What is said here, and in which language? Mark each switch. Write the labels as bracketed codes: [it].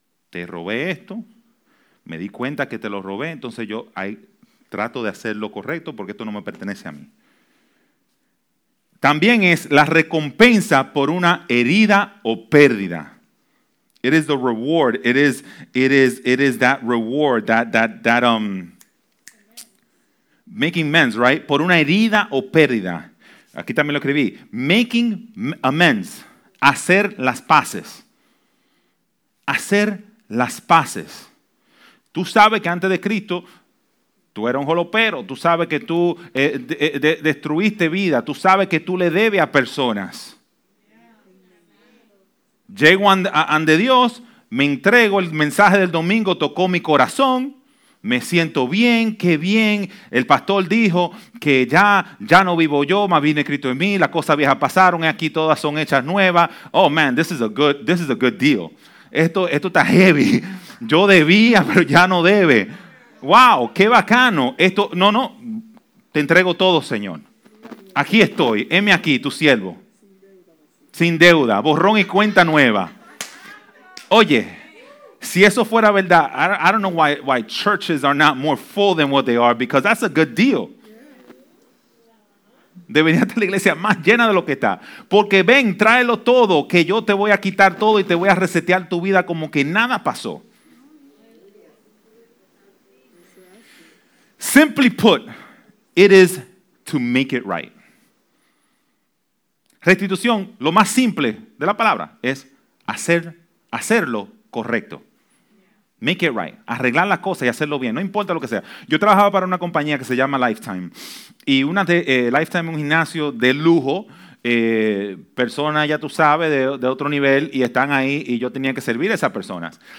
[es] Te robé esto, me di cuenta que te lo robé, entonces yo ahí trato de hacer lo correcto porque esto no me pertenece a mí. También es la recompensa por una herida o pérdida. [en] It is the reward. It is that reward, that making amends, right? [es] Por una herida o pérdida. Aquí también lo escribí. [en] Making amends. [es] Hacer las paces. Hacer las paces. Tú sabes que antes de Cristo, tú eras un jolopero. Tú sabes que tú destruiste vida. Tú sabes que tú le debes a personas. Llego ante Dios, me entrego, el mensaje del domingo tocó mi corazón, me siento bien, qué bien. El pastor dijo que ya no vivo yo, más viene Cristo en mí, las cosas viejas pasaron, aquí todas son hechas nuevas. [en] Oh man, this is a good deal. [es] Esto está heavy. Yo debía, pero ya no debe. Wow, qué bacano. Esto, no, te entrego todo, Señor. Aquí estoy, heme aquí, tu siervo. Sin deuda, borrón y cuenta nueva. Oye, si eso fuera verdad, [en] I don't know why churches are not more full than what they are, because that's a good deal. [es] Debería estar la iglesia más llena de lo que está. Porque ven, tráelo todo, que yo te voy a quitar todo y te voy a resetear tu vida como que nada pasó. [en] Simply put, it is to make it right. [es] Restitución, lo más simple de la palabra, es hacerlo correcto. [en] Make it right. [es] Arreglar las cosas y hacerlo bien. No importa lo que sea. Yo trabajaba para una compañía que se llama Lifetime. Y Lifetime es un gimnasio de lujo. Personas, ya tú sabes, de otro nivel y están ahí y yo tenía que servir a esas personas.